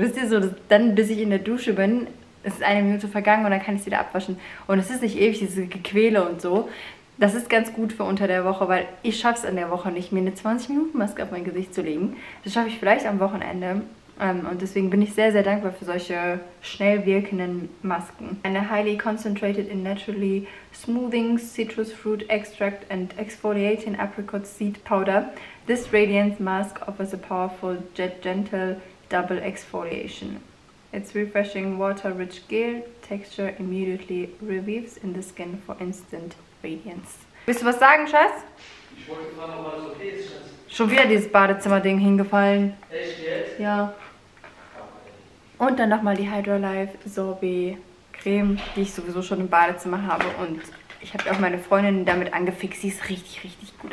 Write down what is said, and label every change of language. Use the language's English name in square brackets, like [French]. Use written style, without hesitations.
[German] Wisst ihr so, dass dann, bis ich in der Dusche bin, ist 1 Minute vergangen und dann kann ich sie wieder abwaschen. Und es ist nicht ewig, diese Gequäle und so. Das ist ganz gut für unter der Woche, weil ich schaffe es in der Woche nicht, mir eine 20-Minuten-Maske auf mein Gesicht zu legen. Das schaffe ich vielleicht am Wochenende. Und deswegen bin ich sehr, sehr dankbar für solche schnell wirkenden Masken. Eine [English] Highly Concentrated in Naturally Smoothing Citrus Fruit Extract and Exfoliating Apricot Seed Powder. This Radiance Mask offers a powerful yet gentle double exfoliation. Its refreshing water-rich gel texture immediately revives in the skin for instant radiance. [German] Willst du was sagen, Schatz? Ich wollte gerade noch mal so viel, Schatz. Schon wieder dieses Badezimmerding hingefallen. Echt jetzt? Ja. Und dann nochmal die Hydralife Sorbet Creme, die ich sowieso schon im Badezimmer habe. Und ich habe auch meine Freundin damit angefixt. Sie ist richtig, richtig gut.